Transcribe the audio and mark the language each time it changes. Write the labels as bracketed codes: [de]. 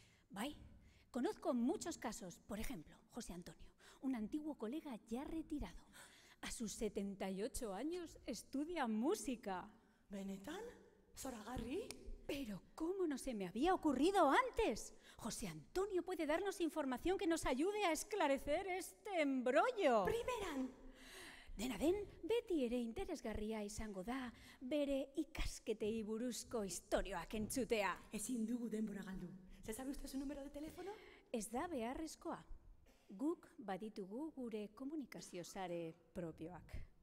[eu] Bai, [es] conozco muchos casos. Por ejemplo, José Antonio, un antiguo colega ya retirado. A sus 78 años estudia música. [eu] ¿Benetan? ¿Zoragarri? [es] ¡Pero cómo no se me había ocurrido antes! José Antonio puede darnos información que nos ayude a esclarecer este embrollo. [eu] ¡Primeran! Dena den, beti ere interesgarria izango da, bere ikasketei buruzko historioak entzutea. Ezin dugu denbora galdu. [es] ¿Se sabe usted su número de teléfono? [eu] Ez da beharrezkoa. Guk baditugu gure komunikazio sare propioak.